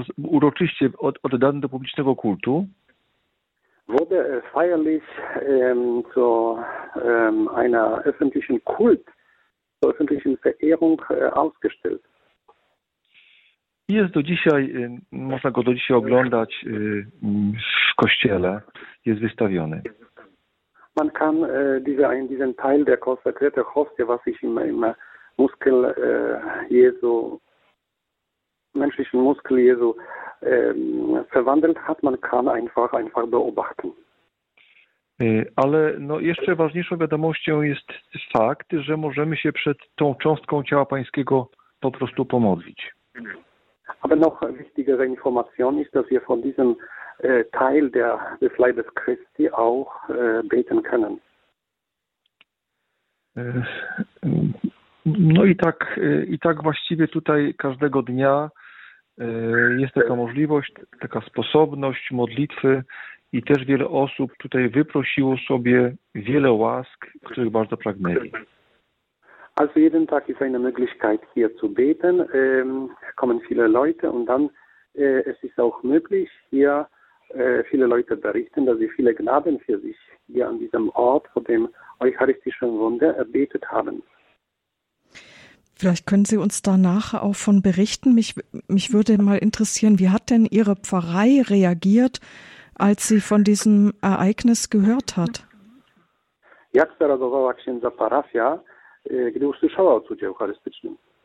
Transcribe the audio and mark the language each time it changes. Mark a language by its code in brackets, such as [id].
[pl] Uroczyście oddany do publicznego kultu. [de] Wurde feierlich zu einer öffentlichen Kult, zur öffentlichen Verehrung ausgestellt. [pl] Jest do dzisiaj, można go do dzisiaj oglądać w kościele, jest wystawiony. [de] Man kann diesen Teil der konsekrierte Hostie, was sich im Muskel Jesu, menschlichen Muskel Jesu verwandelt hat, man kann einfach beobachten. [pl] Ale no jeszcze ważniejszą wiadomością jest fakt, że możemy się przed tą cząstką ciała Pańskiego po prostu pomodlić. [de] Aber noch wichtigere Information ist, dass wir von diesem Teil des Leibes Christi auch beten können. [pl] No i tak właściwie tutaj każdego dnia jest taka możliwość, taka sposobność modlitwy i też wiele osób tutaj wyprosiło sobie wiele łask, których bardzo pragnęli. [de] Also jeden tag ist eine Möglichkeit hier zu beten. Kommen viele Leute und dann es ist auch möglich hier viele Leute berichten, dass sie viele Gnaden für sich hier an diesem Ort vor dem eucharistischen Wunder erbetet haben. Vielleicht können Sie uns da nachher auch von berichten. Mich würde mal interessieren, wie hat denn Ihre Pfarrei reagiert, als sie von diesem Ereignis gehört hat? [pl] Jak zareagowała księdza parafia, gdy usłyszała o cudzie eucharystycznym?